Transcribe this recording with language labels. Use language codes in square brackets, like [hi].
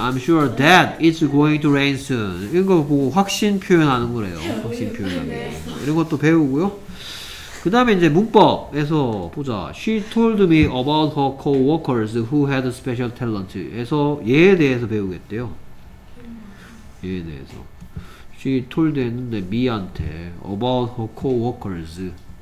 [en] I'm sure that it's going to rain soon. [ko] 이런 거 보고 확신 표현하는 거래요. 확신 표현하는 거. 이런 것도 배우고요. 그 다음에 이제 문법에서 보자. [en] She told me about her co-workers who had a special talent. [ko] 에서 얘에 대해서 배우겠대요. 얘에 대해서. [en] She told [ko] 했는데 [en] me한테 about her co-workers.